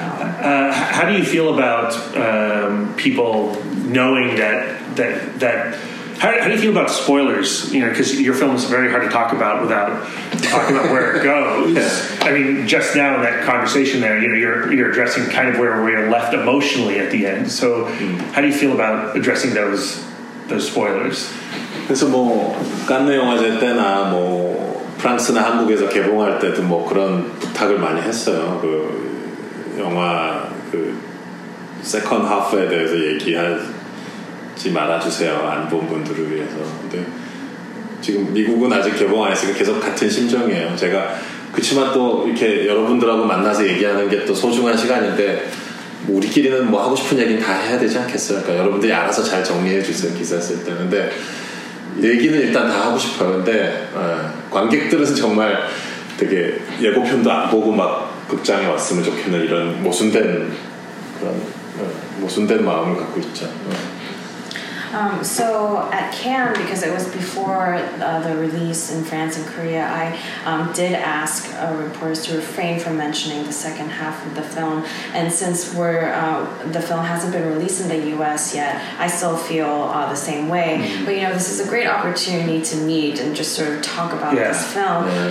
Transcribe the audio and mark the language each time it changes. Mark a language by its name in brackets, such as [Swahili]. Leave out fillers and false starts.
[English] How do you feel about people knowing that how do you feel about spoilers? You know, because your film is very hard to talk about without talking about where it goes. Yeah. I mean, just now in that conversation there, you know, you're addressing kind of where we are left emotionally at the end. So how do you feel about addressing those spoilers? [Korean] 그래서 뭐 깐느 영화제 때나 뭐 프랑스나 한국에서 개봉할 때도 뭐 그런 부탁을 많이 했어요. 그 영화 그 세컨드 하프에 대해서 얘기하지 말아주세요. 안 본 분들을 위해서. 근데 지금 미국은 아직 개봉 안 했으니까 계속 같은 심정이에요. 제가 그치만 또 이렇게 여러분들하고 만나서 얘기하는 게 또 소중한 시간인데 뭐 우리끼리는 뭐 하고 싶은 얘기는 다 해야 되지 않겠어요? 그러니까 여러분들이 알아서 잘 정리해 주세요. 기사 쓸 때. 근데 얘기는 일단 다 하고 싶어요. 근데 관객들은 정말 되게 예고편도 안 보고 막 극장에 왔으면 좋겠는 이런 모순된 마음을 갖고 있죠. [English] So at Cannes, because it was before the release in France and Korea, I did ask reporters to refrain from mentioning the second half of the film. And since the film hasn't been released in the U.S. yet, I still feel the same way. Mm-hmm. But, you know, this is a great opportunity to meet and just sort of talk about this film. Yeah.